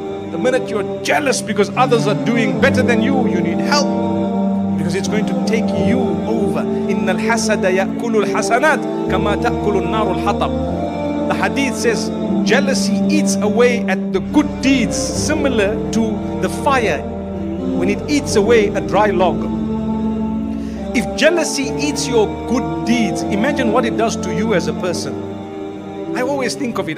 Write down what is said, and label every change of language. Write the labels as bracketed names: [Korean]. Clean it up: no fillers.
[English] The minute you're jealous because others are doing better than you, you need help. because it's going to take you over. [Arabic] إن الحسد يأكل الحسنات كما تأكل النار الحطب. [English] The hadith says jealousy eats away at the good deeds, similar to the fire when it eats away a dry log. If jealousy eats your good deeds, imagine what it does to you as a person. I always think of it.